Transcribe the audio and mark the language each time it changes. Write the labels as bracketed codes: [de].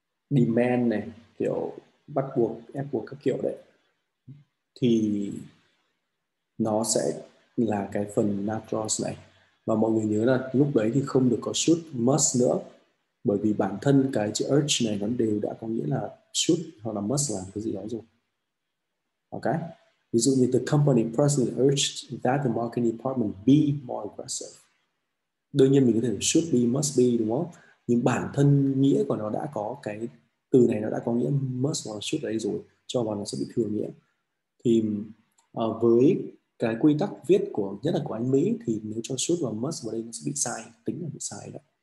[vi] demand này, kiểu bắt buộc, ép buộc các kiểu đấy, thì nó sẽ là cái phần noun clause này. Và mọi người nhớ là lúc đấy thì không được có should, must nữa, bởi vì bản thân cái chữ urge này nó đều đã có nghĩa là should hoặc là must làm cái gì đó rồi. [en] Ok, [vi] ví dụ như [en] the company president urged that the marketing department be more aggressive. [vi] Đương nhiên mình có thể should be, must be, đúng không? Nhưng bản thân nghĩa của nó đã có cái từ này, nó đã có nghĩa must hoặc should ở đây rồi, cho vào nó sẽ bị thừa nghĩa. Thì với cái quy tắc viết của nhất là của anh Mỹ thì nếu cho should và must vào đây nó sẽ bị sai, tính là bị sai đó.